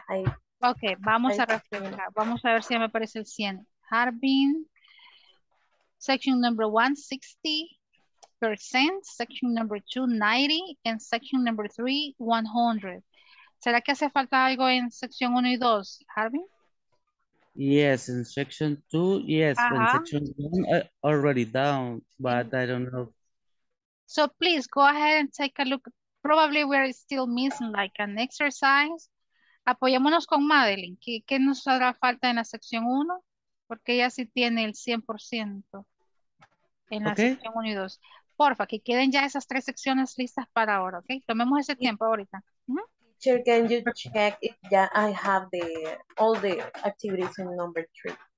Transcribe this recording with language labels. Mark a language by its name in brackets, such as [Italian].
[Spanish] Okay, vamos a reflejar. Vamos a ver si me aparece el 100. Harbin. [English] Section number one, 60%. Section number two, 90%. And section number three, 100%. [Spanish] ¿Será que hace falta algo en sección 1 y 2, Harvey? [English] Yes, in section 2, yes. In section 1, already down, but I don't know. So please go ahead and take a look. Probably we're still missing like an exercise. [Spanish] Apoyémonos con Madeline. ¿Qué nos hará falta en la sección 1? Porque ella sí tiene el 100% en la sección 1 y 2. Porfa, que queden ya esas tres secciones listas para ahora, ¿ok? Tomemos ese tiempo ahorita. [English] Teacher, can you check if I have all the activities in number three?